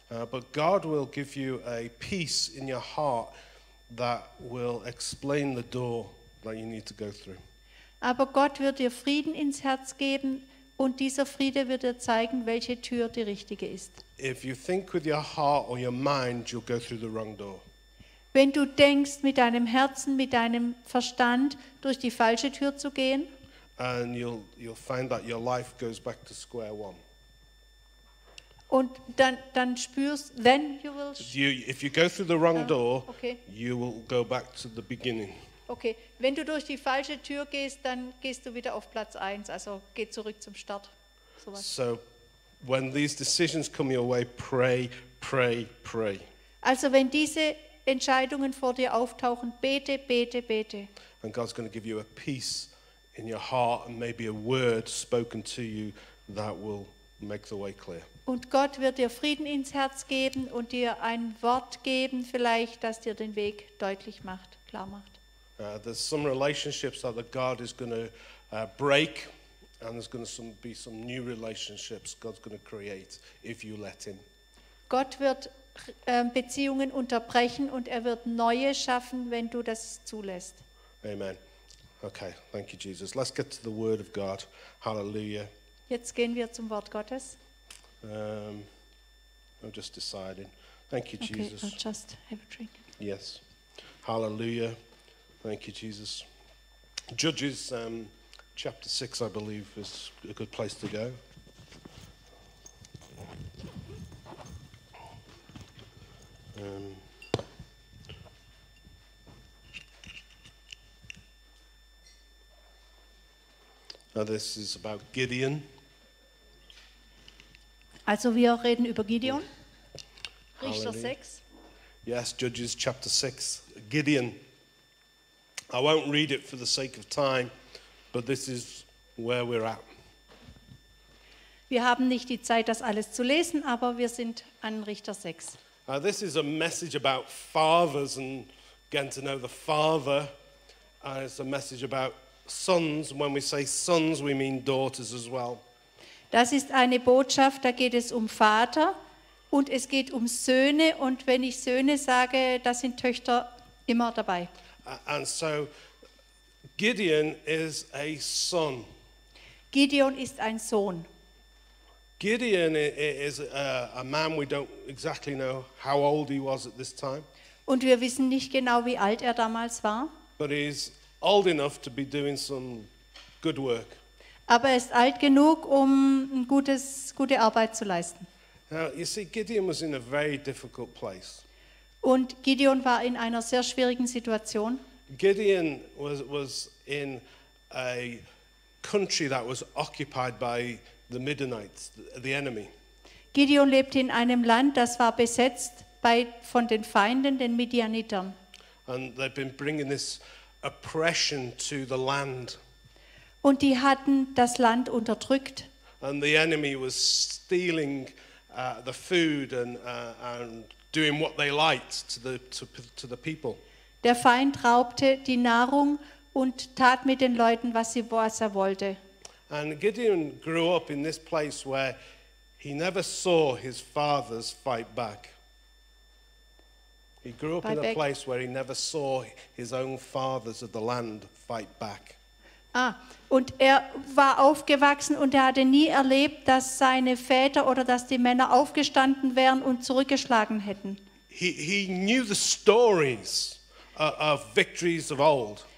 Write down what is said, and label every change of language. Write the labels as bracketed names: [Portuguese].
[English] But God will give you a peace in your heart that will explain the door that you need to go through. [German] Aber Gott wird dir Frieden ins Herz geben und dieser Friede wird dir zeigen, welche Tür die richtige ist. [English] If you think with your heart or your mind, you'll go through the wrong door. [German] Wenn du denkst, mit deinem Herzen, mit deinem Verstand durch die falsche Tür zu gehen, [English] and you'll find that your life goes back to square one. [German] Und dann spürst, [English] then you will. If you go through the wrong door, okay, you will go back to the beginning. [German] Okay, wenn du durch die falsche Tür gehst, dann gehst du wieder auf Platz 1, also geh zurück zum Start. [English] So when these decisions come your way, pray, pray, pray. [German] Also wenn diese Entscheidungen vor dir auftauchen, bete, bete, bete. [English] And God's going to give you a peace in your heart and maybe a word spoken to you that will make the way clear. [German] Und Gott wird dir Frieden ins Herz geben und dir ein Wort geben, vielleicht, das dir den Weg deutlich macht, klar macht. [English] There's some relationships that God is going to break, and there's going to be some new relationships God's going to create if you let him. [German] Gott wird Beziehungen unterbrechen und er wird neue schaffen, wenn du das zulässt. [English] Amen. Okay, thank you, Jesus. Let's get to the Word of God. Hallelujah. [German] Jetzt gehen wir zum Wort Gottes. [English] I'm just deciding. Thank you, Jesus. Okay, I'll just have a drink. Yes. Hallelujah. Thank you, Jesus. Judges chapter 6, I believe, is a good place to go. Now this is about Gideon. [German] Also wir reden über Gideon. Richter 6. [English] Yes, Judges chapter 6. Gideon. I won't read it for the sake of time, but this is where we're at. [German] Wir haben nicht die Zeit, das alles zu lesen, aber wir sind an Richter 6. [English] This is a message about fathers and getting to know the father. It's a message about sons. When we say sons, we mean daughters as well. [German] Das ist eine Botschaft, da geht es um Vater und es geht um Söhne. Und wenn ich Söhne sage, da sind Töchter immer dabei. [English] And so Gideon is a son. [German] Gideon ist ein Sohn. [English] Gideon is a man we don't exactly know how old he was at this time. [German] Und wir wissen nicht genau, wie alt er damals war. [English] But he's old enough to be doing some good work. [German] Aber er ist alt genug, um gute Arbeit zu leisten. [English] Now, you see, Gideon was in a very difficult place. [German] Und Gideon war in einer sehr schwierigen Situation. [English] Gideon was in a country that was occupied by the Midianites, the enemy. [German] Gideon lebte in einem Land, das war besetzt von den Feinden, den Midianitern. [English] And they've been bringing this oppression to the land. [German] Und die hatten das Land unterdrückt. [English] And the enemy was stealing the food and doing what they liked to the people. [German] Der Feind raubte die Nahrung und tat mit den Leuten, was er wollte. [English] And Gideon grew up in this place where he never saw his fathers fight back. He grew up in a place where he never saw his own fathers of the land fight back. [German] Ah, und er war aufgewachsen und er hatte nie erlebt, dass seine Väter oder dass die Männer aufgestanden wären und zurückgeschlagen hätten. [English] He knew the stories of victories of old.